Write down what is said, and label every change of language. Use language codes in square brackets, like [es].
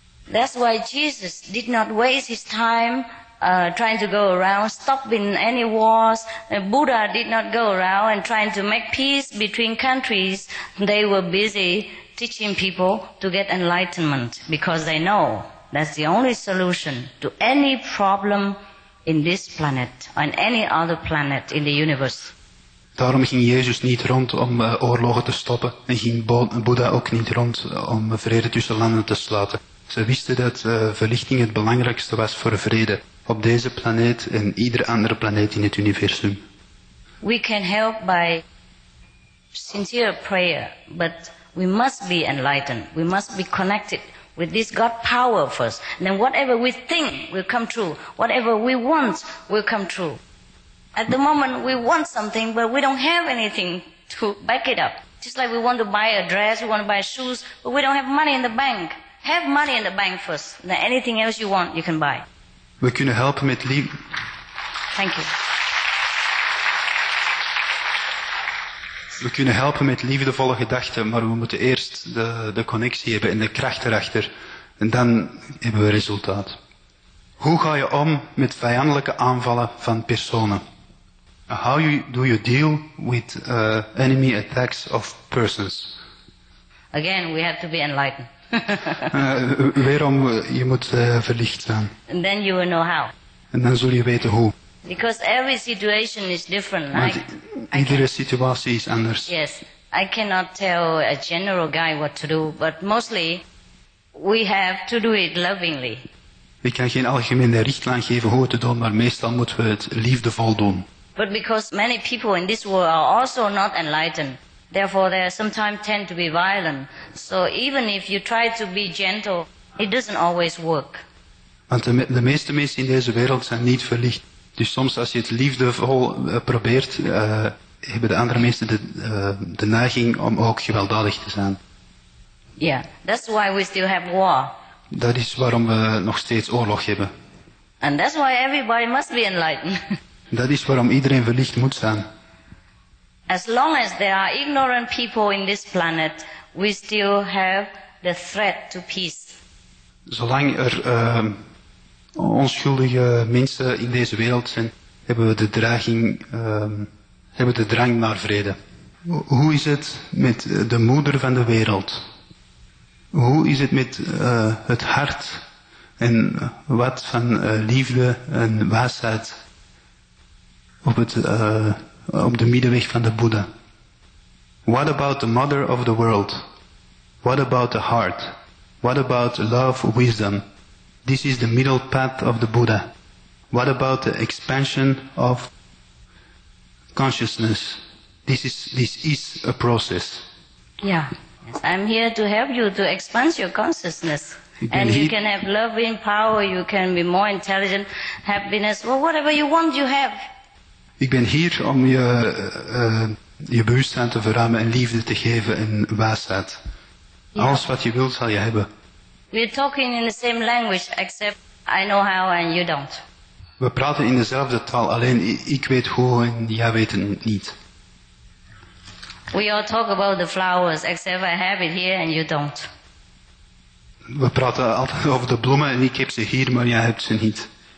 [en] That's why Jesus did not waste his time trying to go around, stopping any wars. Buddha did not go around and trying to make peace between countries. They were busy teaching people to get enlightenment because they know that's the only solution to any problem in this planet or in any other planet in the universe. [nl] Daarom ging Jezus niet rond om oorlogen te stoppen en ging Boeddha ook niet rond om vrede tussen landen te sluiten. Ze wisten dat verlichting het belangrijkste was voor vrede op deze planeet en iedere andere planeet in het universum. [en] We can help by sincere prayer, but we must be enlightened. We must be connected with this God power first. And then whatever we think will come true. Whatever we want will come true. At the moment we want something, but we don't have anything to back it up. Just like we want to buy a dress, we want to buy shoes, but we don't have money in the bank. Have money in the bank first. Then anything else you want, you can buy. [nl] We kunnen helpen met lief. [en] Thank you. [nl] We kunnen helpen met liefdevolle gedachten, maar we moeten eerst de connectie hebben en de kracht erachter. En dan hebben we resultaat. Hoe ga je om met vijandelijke aanvallen van personen? [en] How do you deal with enemy attacks of persons? Again, we have to be enlightened. [nl] Waarom je moet verlicht zijn? [en] And then you will know how. [nl] En dan zul je weten hoe. [en] Because every situation is different. [nl] Want iedere situatie is anders. [en] Yes, I cannot tell a general guy what to do, but mostly we have to do it lovingly. [nl] Ik kan geen algemene richtlijn geven hoe het te doen, maar meestal moeten we het liefdevol doen. [en] But because many people in this world are also not enlightened, therefore they sometimes tend to be violent. So even if you try to be gentle, it doesn't always work. [nl] Want de meeste mensen in deze wereld zijn niet verlicht. Dus soms als je het liefdevol probeert, hebben de andere mensen de neiging om ook gewelddadig te zijn. [en] Yeah, that's why we still have war. [nl] Dat is waarom we nog steeds oorlog hebben. [en] And that's why everybody must be enlightened. [nl] Dat is waarom iedereen verlicht moet zijn. [en] As long as there are ignorant people in this planet, we still have the threat to peace. [nl] Zolang er onschuldige mensen in deze wereld zijn, hebben we de dreiging, hebben de drang naar vrede. Hoe is het met de moeder van de wereld? Hoe is het met het hart en wat van liefde en wijsheid op het op de middenweg van de Boeddha? [en] What about the mother of the world? What about the heart? What about love, wisdom? This is the middle path of the Buddha. What about the expansion of consciousness? This is a process. Yeah. I'm here to help you to expand your consciousness. And you can have loving power, you can be more intelligent, happiness, or whatever you want, you have. [nl] Ik ben hier om je je bewustzijn te verruimen en liefde te geven en wijsheid. Yeah. Alles wat je wilt, zal je hebben. [en] We're talking in the same language, except I know how and you don't. [nl] We praten in dezelfde taal, alleen ik weet hoe en jij weet het niet. [en] We all talk about the flowers, except I have it here and you don't. [nl] We praten altijd over de bloemen en ik heb ze hier, maar jij hebt ze niet.